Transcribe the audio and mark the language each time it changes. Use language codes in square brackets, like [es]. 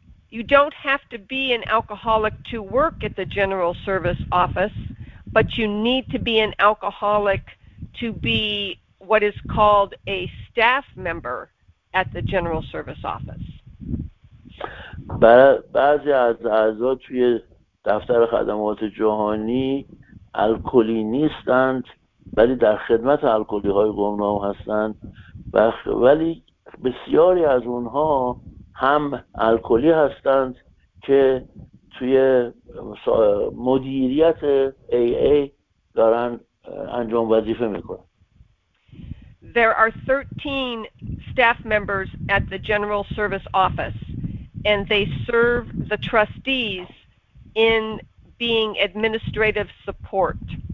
[en] You don't have to be an alcoholic to work at the General Service Office, but you need to be an alcoholic to be what is called a staff member at the General Service Office. [fa] بعضی از اعضا توی دفتر خدمات جهانی الکلی نیستند ولی در خدمت الکلی های گمنام هستند ولی بسیاری از اونها هم الکلی هستند که توی مدیریت AA دارن انجام وظیفه میکنن. [en] There are 13 staff members at the General Service Office and they serve the trustees in being administrative support.